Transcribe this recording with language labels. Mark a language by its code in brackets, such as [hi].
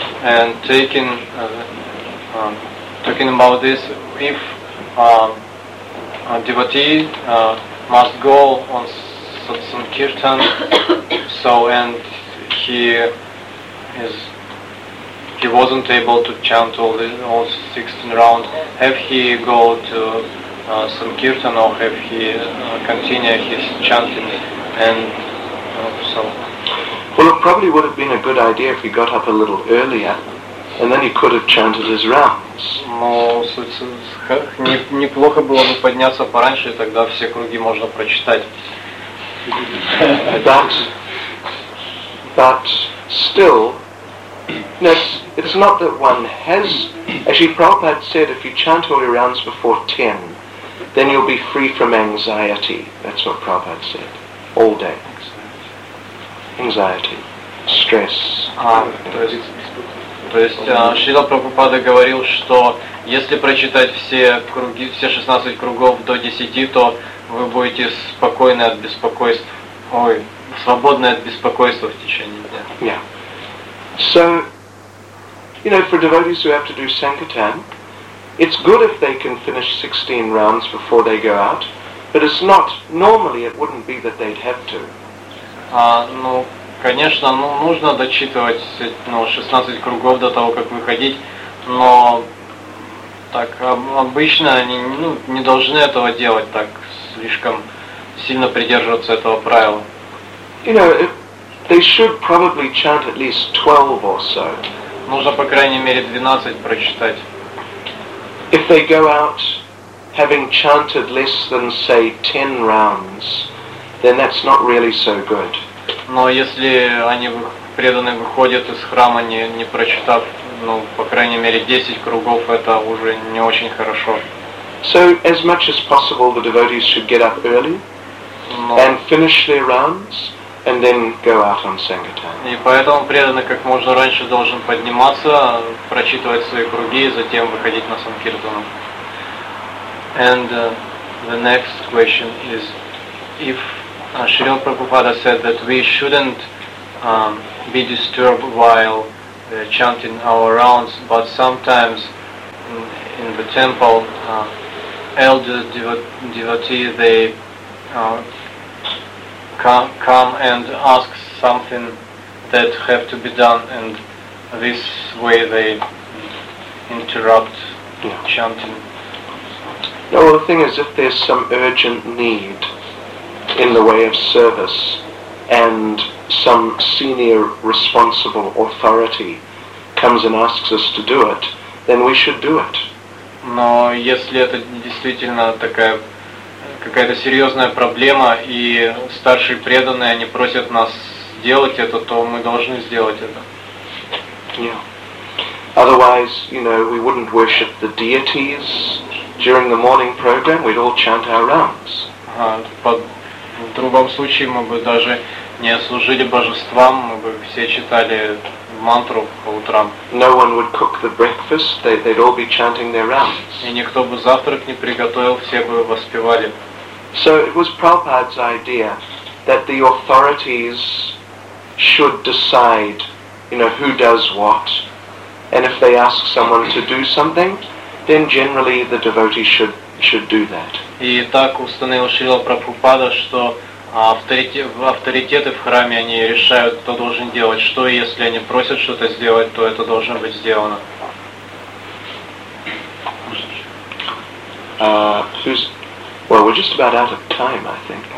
[en] And talking about this, if a devotee must go on sankirtan, so and he wasn't able to chant all 16 rounds, have he go to sankirtan or have he continue his chanting? And Well, it probably would have been a good idea if he got up a little earlier. And then he could have chanted his rounds. [ru] Но неплохо было бы подняться пораньше, и тогда все круги можно прочитать. [en] But still, it's not that one has. Actually, Prabhupada said, if you chant all your rounds before 10, then you'll be free from anxiety. That's what Prabhupada said. All day. Anxiety, stress. [ru] То есть Шрила Прабхупада говорил, что если прочитать все круги, все 16 кругов до 10, то вы будете спокойны от беспокойств. Ой, свободны от беспокойства в течение дня. [en] Yeah. So, you know, for devotees who have to do sankirtan, it's good if they can finish 16 rounds before they go out, but it's not. Normally, it wouldn't be that they'd have to. [ru] Конечно, нужно дочитывать 16 кругов до того, как выходить, но так обычно они не должны этого делать, так слишком сильно придерживаться этого правила. [en] You know, they should probably chant at least 12 or so. [ru] Нужно по крайней мере 12 прочитать. [en] If they go out having chanted less than, say, 10 rounds, then that's not really so good. [ru] Но если они преданные выходят из храма, не прочитав, по крайней мере, 10 кругов, это уже не очень хорошо. [en] So, as much as possible, the devotees should get up early and finish their rounds, and then go out on sankirtan. [ru] И поэтому преданный как можно раньше должен подниматься, прочитывать свои круги, и затем выходить на санкиртану. [en] And the next question is, if Srila Prabhupada said that we shouldn't be disturbed while chanting our rounds, but sometimes in the temple, elder devotee they come and ask something that have to be done, and this way they interrupt chanting. No, well, the thing is, if there's some urgent need in the way of service and some senior responsible authority comes and asks us to do it, then we should do it. [ru] Но если это действительно такая какая-то серьезная проблема, и старшие преданные они просят нас сделать это, то мы должны сделать это. [en] Yeah. Otherwise, you know, we wouldn't worship the deities during the morning program, we'd all chant our rounds. [ru] В другом случае мы бы даже не служили божествам, мы бы все читали мантру по утрам. [en] No one would cook the breakfast, they'd all be chanting their rounds. [ru] И никто бы завтрак не приготовил, все бы воспевали. [en] So it was Prabhupada's idea that the authorities should decide, you know, who does what. And if they ask someone to do something, then generally the devotee should do that. [ru] И так установил Шрила Прабхупада, что авторитеты в храме, они решают, кто должен делать что, и если они просят что-то сделать, то это должно быть сделано. [en] Well, we're just about out of time, I think.